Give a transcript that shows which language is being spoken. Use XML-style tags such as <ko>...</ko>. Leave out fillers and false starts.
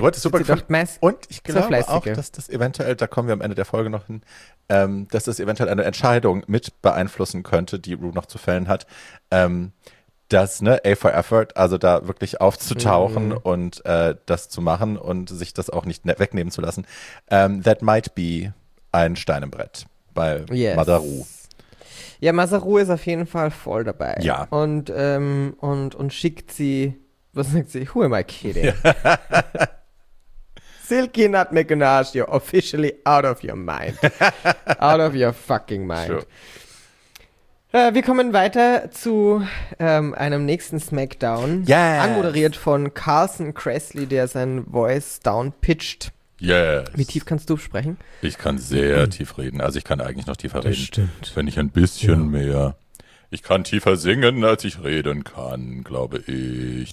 <de>Die Ruhe hat es super gefunden. Und ich glaube auch, dass das eventuell, da kommen wir am Ende der Folge noch hin, dass das eventuell eine Entscheidung mit beeinflussen könnte, die Ruhe noch zu fällen hat, dass, ne,</de> <en>A for Effort,</en> <de>also da wirklich aufzutauchen und das zu machen und sich das auch nicht wegnehmen zu lassen.</de> <en>That might be</en> <de>ein Stein im Brett bei Mother Ruhe. Ja, Masaru ist auf jeden Fall voll dabei. Ja. Und schickt sie, was sagt sie?</de> <en>Who am I kidding? Silky Nut McGinnis, you're officially out of your mind. Out of your fucking mind. Sure.</en> <de>Wir kommen weiter zu einem nächsten Smackdown.</de> <en>Yes.</en> <de>Anmoderiert von Carson Kressley, der seinen Voice down pitcht.</de> <en>Yes.</en> <de>Wie tief kannst du sprechen? Ich kann sehr tief reden. Also ich kann eigentlich noch tiefer reden. Stimmt. Wenn ich ein bisschen mehr. Ich kann tiefer singen, als ich reden kann, glaube ich.</de>